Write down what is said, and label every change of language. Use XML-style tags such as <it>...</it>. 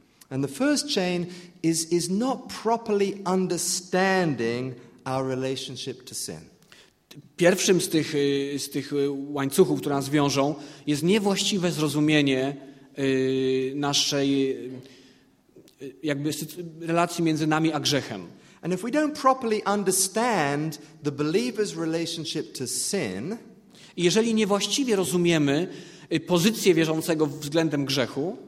<en>And the first chain is not properly understanding our relationship to sin.</en> <pl>Pierwszym z tych łańcuchów, które nas wiążą, jest niewłaściwe zrozumienie naszej jakby relacji między nami a grzechem.</pl> <en>And if we don't properly understand the believer's relationship to sin,</en> <pl>jeżeli niewłaściwie rozumiemy pozycję wierzącego względem grzechu,</pl>